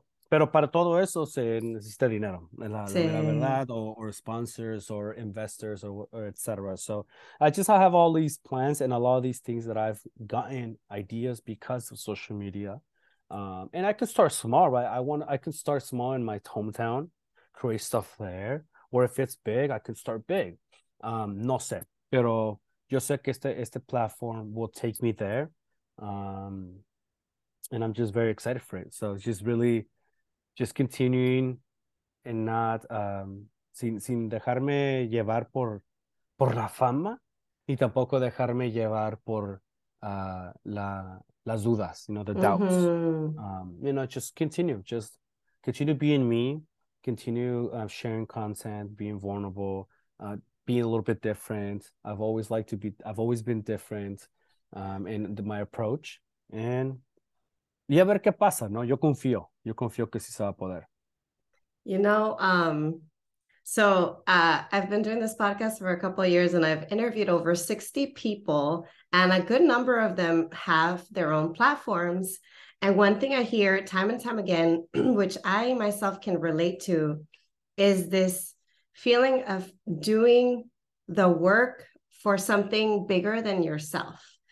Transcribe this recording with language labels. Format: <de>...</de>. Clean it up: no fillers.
<es>Pero para todo eso se necesita dinero, la verdad,</es> <en>or sponsors or investors or et cetera. So I have all these plans and a lot of these things that I've gotten ideas because of social media. And I can start small, right? I can start small in my hometown, create stuff there. Or if it's big, I can start big.</en> <es>No sé, pero yo sé que este platform</es> <en>will take me there. And I'm just very excited for it. So it's just really... just continuing and not</en> <es>sin dejarme llevar por la fama y tampoco dejarme llevar por las dudas,</es> <en>you know, the doubts. You know, just continue being me, continue sharing content, being vulnerable, being a little bit different. I've always been different in my approach. And</en> <es>y a ver qué pasa, ¿no? Yo confío que sí se va a poder.</es> <en>You know, I've been doing this podcast for a couple of years and I've interviewed over 60 people and a good number of them have their own platforms. And one thing I hear time and time again, which I myself can relate to, is this feeling of doing the work for something bigger than yourself.</en>